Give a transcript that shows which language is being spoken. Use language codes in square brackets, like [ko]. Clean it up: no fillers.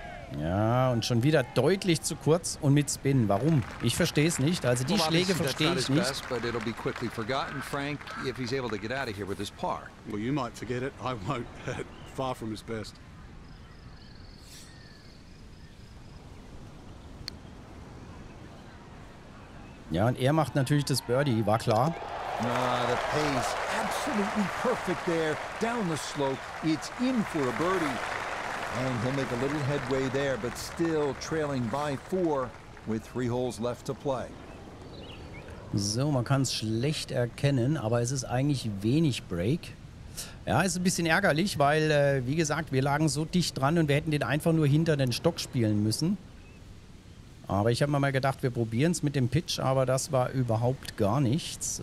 [de] Und schon wieder deutlich zu kurz und mit Spin. Warum? Ich verstehe es nicht. Also die Schläge verstehe ich nicht. [en] But it'll be quickly forgotten, Frank, if he's able to get out of here with his par. Well, you might forget it. I won't. Far from his best. [de] Ja, und er macht natürlich das Birdie, war klar. [en] Nah, the pace absolutely perfect there down the slope. It's in for a birdie. And he'll make a little headway there, but still trailing by four with three holes left to play. [de] So, man kann es schlecht erkennen, aber es ist eigentlich wenig Break. Ja, ist ein bisschen ärgerlich, weil, wie gesagt, wir lagen so dicht dran und wir hätten den einfach nur hinter den Stock spielen müssen. Aber ich habe mir mal gedacht, wir probieren es mit dem Pitch, aber das war überhaupt gar nichts.